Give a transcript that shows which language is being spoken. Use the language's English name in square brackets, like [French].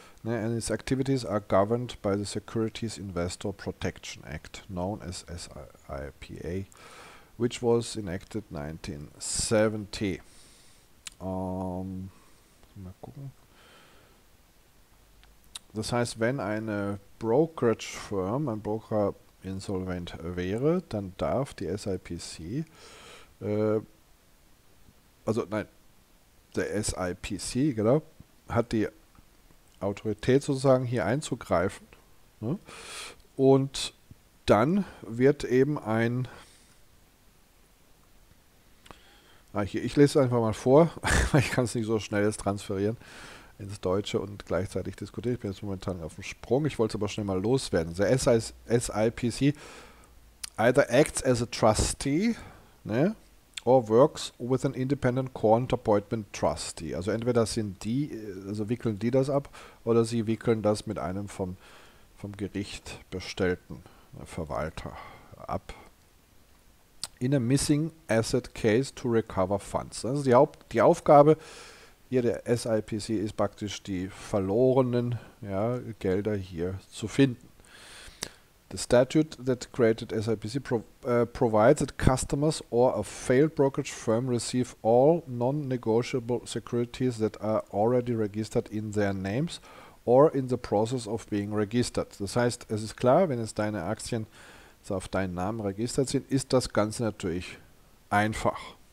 [English] And its activities are governed by the Securities Investor Protection Act, known as SIPA, which was enacted 1970. [German] Mal gucken. Das heißt, wenn eine Brokerage Firm, ein Broker insolvent wäre, dann darf die SIPC, also nein, der SIPC, genau, hat die Autorität sozusagen hier einzugreifen, ne? Und dann wird eben ein, ich lese es einfach mal vor, weil ich kann es nicht so schnell jetzt transferieren ins Deutsche und gleichzeitig diskutieren. Ich bin jetzt momentan auf dem Sprung, ich wollte es aber schnell mal loswerden. [English] Der SIPC either acts as a trustee, ne? Or works with an independent quant appointment trustee. [German] Also entweder sind die, also wickeln die das ab, oder sie wickeln das mit einem vom Gericht bestellten Verwalter ab. [English] In a missing asset case to recover funds. [German] Also die Aufgabe hier der SIPC ist praktisch, die verlorenen, ja, Gelder hier zu finden. [English] The statute that created SIPC provides that customers or a failed brokerage firm receive all non-negotiable securities that are already registered in their names or in the process of being registered. [German] Das heißt, es ist klar, wenn es deine Aktien so auf deinen Namen registriert sind, ist das Ganze natürlich einfach.